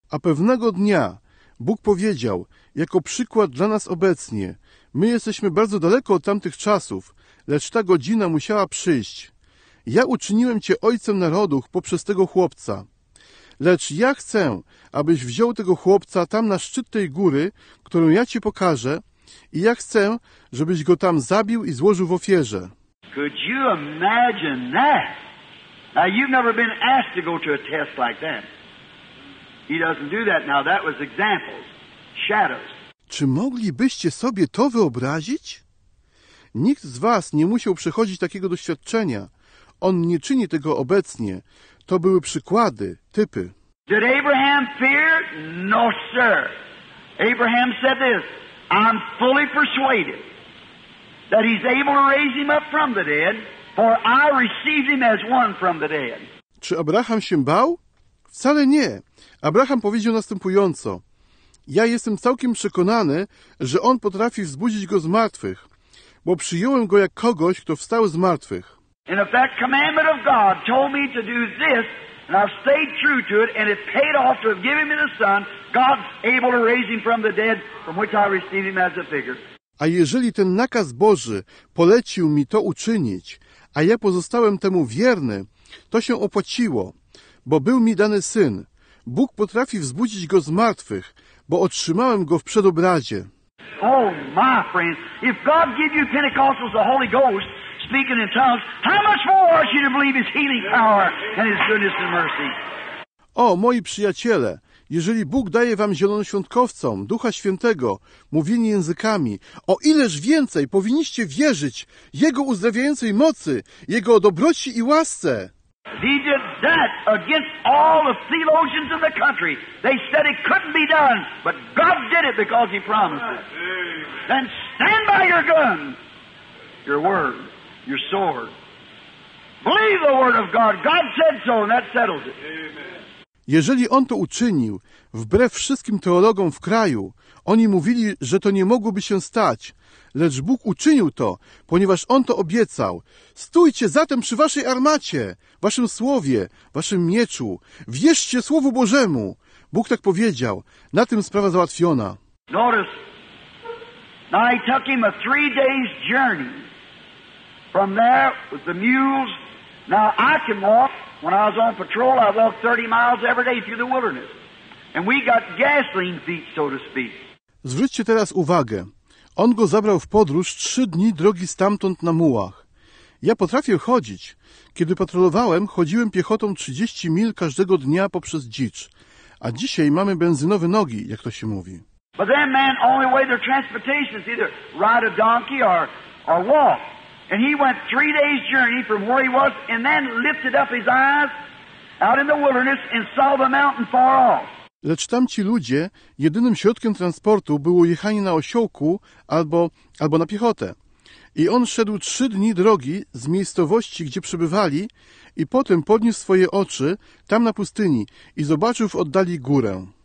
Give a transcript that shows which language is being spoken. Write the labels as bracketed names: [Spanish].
[Polish] A pewnego dnia Bóg powiedział, jako przykład dla nas obecnie, my jesteśmy bardzo daleko od tamtych czasów, lecz ta godzina musiała przyjść. Ja uczyniłem cię ojcem narodów poprzez tego chłopca. Lecz ja chcę, abyś wziął tego chłopca tam na szczyt tej góry, którą ja ci pokażę, i ja chcę, żebyś go tam zabił i złożył w ofierze. [English] Could you imagine that? Now you've never been asked to go to a test like that. He doesn't do that. Now that was examples, shadows. [Polish] Czy moglibyście sobie to wyobrazić? Nikt z was nie musiał przechodzić takiego doświadczenia. On nie czyni tego obecnie. To były przykłady, typy. [English] Did Abraham fear? No, sir. Abraham said this, I'm fully persuaded that he's able to raise him up from the dead, for I received him as one from the dead. [Polish] Czy Abraham się bał? Wcale nie. Abraham powiedział następująco, ja jestem całkiem przekonany, że on potrafi wzbudzić go z martwych, bo przyjąłem go jak kogoś, kto wstał z martwych. [English] And if that commandment of God told me to do this, and I've stayed true to it, and it paid off to have given me the Son, God's able to raise him from the dead, from which I receive him as a figure. [Polish] A jeżeli ten nakaz Boży polecił mi to uczynić, a ja pozostałem temu wierny, to się opłaciło, bo był mi dany Syn. Bóg potrafi wzbudzić go z martwych, bo otrzymałem go w przedobrazie. [English] Oh, my friend, if God give you Pentecostals the Holy Ghost, speaking in tongues, how much more are you to believe his healing power and his goodness and mercy? [Polish] O, moi przyjaciele, jeżeli Bóg daje wam zielonoświątkowcom Ducha Świętego, mówienie językami, o ileż więcej powinniście wierzyć Jego uzdrawiającej mocy, Jego dobroci i łasce. [English] He did that against all the theologians in the country. They said it couldn't be done, but God did it because he promised it. Then stand by your gun, your word, your sword. Believe the word of God. God said so, and that settles it. Amen. [Polish] Jeżeli on to uczynił, wbrew wszystkim teologom w kraju, oni mówili, że to nie mogłoby się stać, lecz Bóg uczynił to, ponieważ on to obiecał. Stójcie zatem przy waszej armacie, waszym słowie, waszym mieczu. Wierzcie Słowu Bożemu. Bóg tak powiedział. Na tym sprawa załatwiona. [English] Notice, now he took him a 3 days journey. From there with the mules. Now I can walk. When I was on patrol, I walked 30 miles every day through the wilderness. And we got gasoline feet, so to speak. [Polish] Zwróćcie teraz uwagę. On go zabrał w podróż 3 dni drogi stamtąd na mułach. Ja potrafię chodzić. Kiedy patrolowałem, chodziłem piechotą 30 mil każdego dnia poprzez dzicz. A dzisiaj mamy benzynowe nogi, jak to się mówi. [English] But then, man, only way their transportation is either ride a donkey or walk. And he went 3 days journey from where he was and then lifted up his eyes out in the wilderness and saw the mountain far off. [Polish] Lecz tamci ludzie, jedynym środkiem transportu było jechanie na osiołku albo na piechotę. I on szedł 3 dni drogi z miejscowości, gdzie przebywali, i potem podniósł swoje oczy tam na pustyni i zobaczył w oddali górę.